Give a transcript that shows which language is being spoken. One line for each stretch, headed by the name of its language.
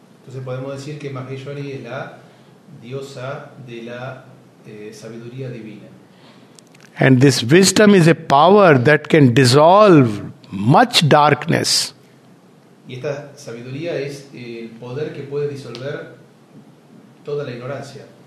Spanish: Entonces podemos decir que Maheshwari es la diosa de la sabiduría divina.
English: And this wisdom is a power that can dissolve much darkness.
Spanish: Y esta sabiduría es el poder que puede disolver toda la ignorancia.